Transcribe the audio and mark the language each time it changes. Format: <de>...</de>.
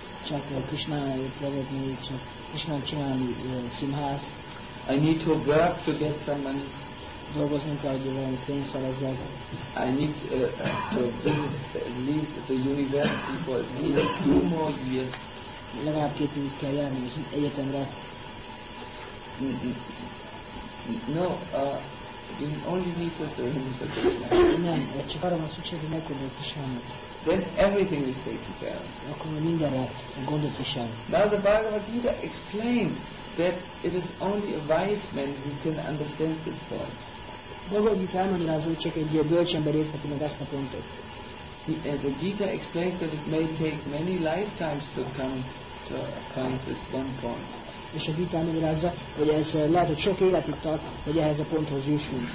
<hu>Csak Krishna vezetni, csak Krishna csinálni színház.</hu> <en>I need to work to get some money.</en> <hu>Dolgozni kell, hogy olyan pénzt szerezzek.</hu> <en>I need to visit at least the university for at least two more years.</en> <hu>Legalább két évig kell járni az egyetemre.</hu> <en>No, you only need to say him to Krishna.</en> <hu>Nem, csak arra van szükség, hogy megkodol Krishna.</hu> <en>Then everything is taken care of.</en> <hu>Akkor mindenre gondol Krishna.</hu> <en>Now the Bhagavad Gita explains that it is only a wise man who can understand this point.</en> <hu>Bhagavad Gita elmagyarázó, csak egy bölcs ember értheti meg ezt a pontot.</hu> <en>The Gita explains that it may take many lifetimes to come to this one point.</en> <hu>És a Gita elmagyarázza, hogy ez lehet, hogy sok életig tart, hogy ehhez a ponthoz jussunk.</hu>